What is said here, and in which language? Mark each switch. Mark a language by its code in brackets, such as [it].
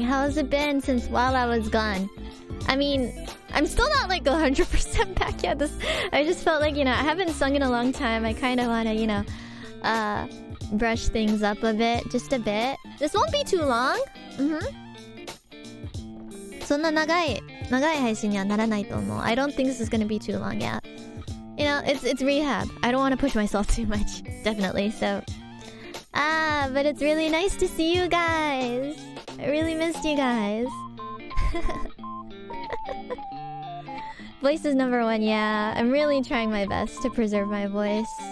[en] How has it been since while I was gone? I mean, I'm still not like 100% back yet. This, I just felt like, you know, I haven't sung in a long time. I kind of want to, you know, brush things up a bit. Just a bit. This won't be too long. [ja] そんな長い配信にはならないと思う。 [en] I don't think this is gonna be too long yet. You know, it's rehab. I don't want to push myself too much, definitely. So, but it's really nice to see you guys. I really missed you guys. Voice is number one. Yeah, I'm really trying my best to preserve my voice.